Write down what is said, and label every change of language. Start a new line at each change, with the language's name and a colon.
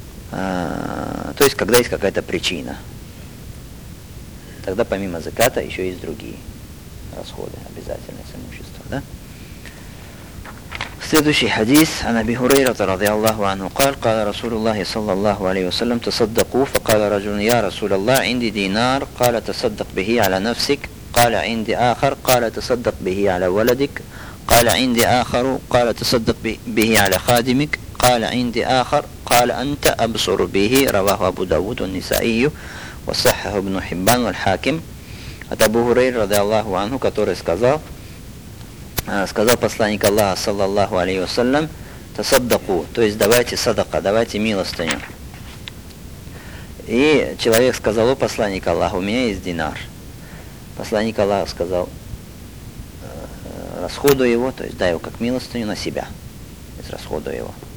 Russian: То есть, когда есть какая-то причина, тогда помимо заката еще есть другие расходы, обязательные с имущества, да? Следующий хадис.
Arabic: «Ан Аби Хурейрата ради Аллаху анху каль, каля Расулуллахи саллаллаху алейхи вассалям, тасаддаку, факаля раджун, я Расулуллах, инди динар, каля тасаддак бихи аля нафсик, قال عندي آخر قال تصدق به على ولدك، قال عندي آخر قال تصدق به على خادمك، قال عندي آخر قال أنت أبصر به. رواه أبو داود والنسائي وصححه ابن حبان والحاكم.
Russian: От Абу Хурейры رضي الله عنه, который сказал, сказал посланник Аллаха صلى الله عليه وسلم, تصدقوا, то есть давайте садака, давайте милостыню. И человек сказал, о посланник Аллаха, у меня есть динар. Посланник Аллаха сказал, расходуй его, то есть дай его как милостыню на себя. То есть расходуй его.